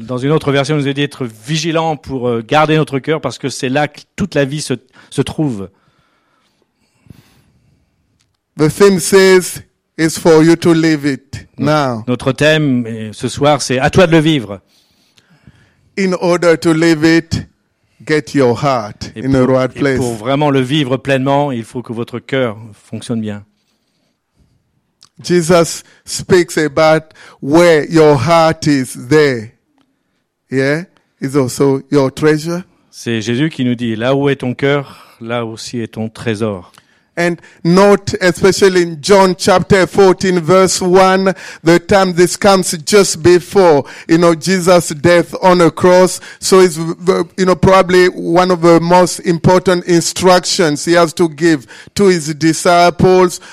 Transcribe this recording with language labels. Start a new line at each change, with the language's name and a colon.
French: Dans une autre version, il nous est dit d'être vigilant pour garder notre cœur parce que c'est là que toute la vie se trouve.
English: The theme says it's for you to live it now.
French: Notre thème ce soir, c'est à toi de le vivre.
English: In order to live it, get your heart in the right place.
French: Et pour vraiment le vivre pleinement, il faut que votre cœur fonctionne bien.
English: Jesus speaks about where your heart is there. Yeah, is also your treasure.
French: C'est Jésus qui nous dit là où est ton cœur, là aussi est ton trésor.
English: And note, especially in John chapter 14, verse 1, the time this comes just before, you know, Jesus' death on a cross. So it's, you know, probably one of the most important instructions he has to give to his disciples.